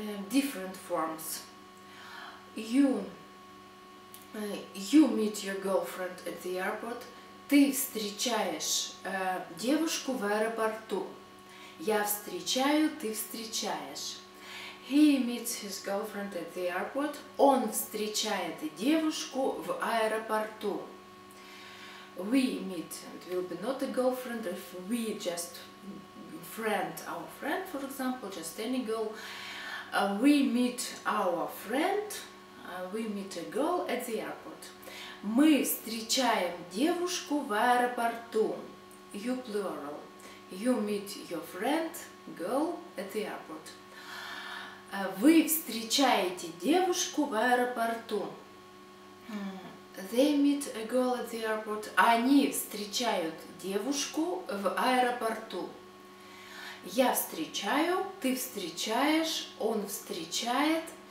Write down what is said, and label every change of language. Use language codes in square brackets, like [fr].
[en] Different forms. You meet your girlfriend at the airport. [ru] Ты встречаешь девушку в аэропорту. Я встречаю, ты встречаешь. [en] He meets his girlfriend at the airport. [ru] Он встречает девушку в аэропорту. [en] We meet, it will be not a girlfriend, if we just friend our friend, for example, just any girl. We meet our friend. We meet a girl at the airport. [ru] Мы встречаем девушку в аэропорту. [en] You plural. You meet your friend, girl, at the airport. [ru] Вы встречаете девушку в аэропорту. [en] They meet a girl at the airport. [ru] Они встречают девушку в аэропорту. Я встречаю, ты встречаешь, он встречает.